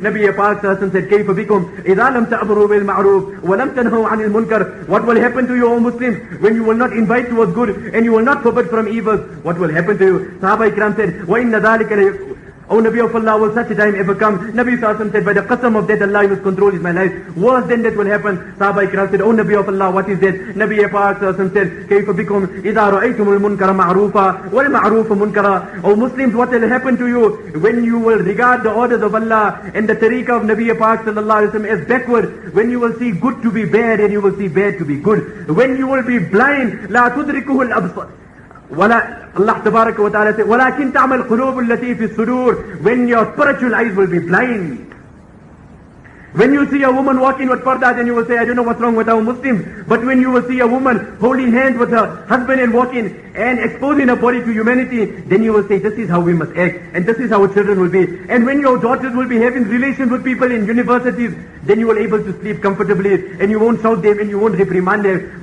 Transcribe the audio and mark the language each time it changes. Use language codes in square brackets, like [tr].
[en] Nabi Pak Sahib said, [ar] كيف بكم إذا لم تأمروا بالمعروف ولم تنهوا عن المنكر. [en] What will happen to you, O Muslims, when you will not invite towards good and you will not forbid from evil? What will happen to you? Sahaba Ikram said, [ar] وإن ذلك [en] O Nabi of Allah, will such a time ever come? Nabi Sahib said, by the qasam of death, Allah, whose control is my life, worse than that will happen. Sahaba Ikram said, O Nabi of Allah, what is this? Nabi Pak Sahib said, [ar] كيف بكم إذا رأيتم المنكر معروفا والمعروف منكرا. [en] O Muslims, what will happen to you when you will regard the orders of Allah and the tariqah of Nabi Pak Sallallahu Alaihi Wasallam as backward? When you will see good to be bad and you will see bad to be good? When you will be blind, [ar] لا تدركه الأبصار. [en] Allah Tabarak wa Ta'ala said, [ar] وَلَكِنْ تَعْمَ الْقُلُوبُ الَّتِي فِي الصُّدُورِ. [en] When your spiritual eyes will be blind. When you see a woman walking with parda, then you will say, I don't know what's wrong with our Muslims. But when you will see a woman holding hands with her husband and walking and exposing her body to humanity, then you will say, this is how we must act and this is how our children will be. And when your daughters will be having relations with people in universities, then you will be able to sleep comfortably and you won't shout them and you won't reprimand them.